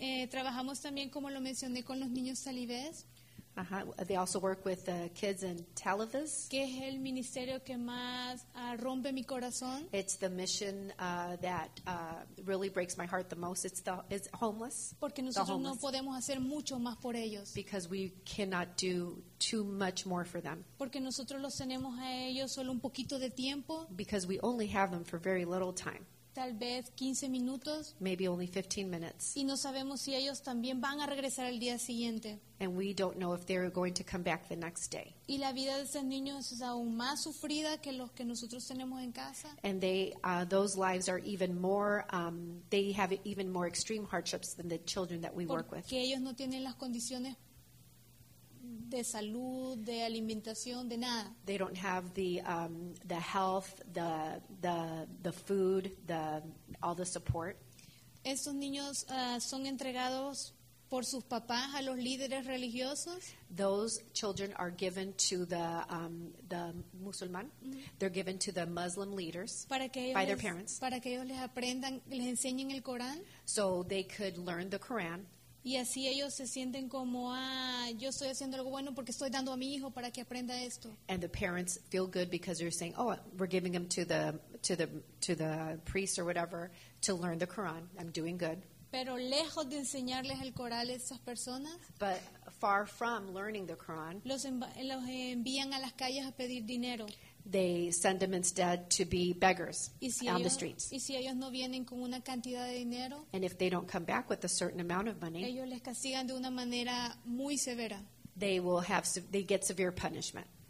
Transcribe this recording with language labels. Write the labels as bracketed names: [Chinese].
[Spanish] Trabajamos también, como lo mencioné, con los niños talibés. Uh-huh. [English] They also work with the kids in Talibas. [Spanish] ¿Qué es el ministerio que más rompe mi corazón? [English] It's the mission that really breaks my heart the most. It's homeless. [Spanish] Porque nosotros homeless. No podemos hacer mucho más por ellos. [English] Because we cannot do too much more for them. [Spanish] Porque nosotros los tenemos a ellos solo un poquito de tiempo. [English] Because we only have them for very little time. [Spanish] Tal vez 15 minutos. [English] Maybe only 15 minutes. [Spanish] Y no sabemos si ellos también van a regresar el día siguiente. [English] And we don't know if they're going to come back the next day. [Spanish] Y la vida de esos niños es aún más sufrida que los que nosotros tenemos en casa. [English] And they, those lives are even more, they have even more extreme hardships than the children that we [Spanish] porque [English] work with. [Spanish] Porque ellos no tienen las condiciones de salud, de alimentación, de nada. [English] They don't have the health, the food, all the support. [Spanish] Estos niños son entregados por sus papás a los líderes religiosos. [English] Those children are given to the Musulman. Mm-hmm. They're given to the Muslim leaders by their parents. [Spanish] Para que ellos les aprendan, les enseñen el Corán. [English] So they could learn the Quran. [Spanish] Y así ellos se sienten como, yo estoy haciendo algo bueno porque estoy dando a mi hijo para que aprenda esto. [English] And the parents feel good because they're saying, oh, we're giving him to the priest or whatever to learn the Quran. I'm doing good. [Spanish] Pero lejos de enseñarles el Corán a esas personas, [English] but far from learning the Quran, [Spanish] los envían a las calles a pedir dinero. [English] They send them instead to be beggars on the streets. [Spanish] Y si ellos no vienen con una cantidad de dinero, [English] and if they don't come back with a certain amount of money, [Spanish] ellos les castigan de una manera muy severa. [English] They get severe punishment.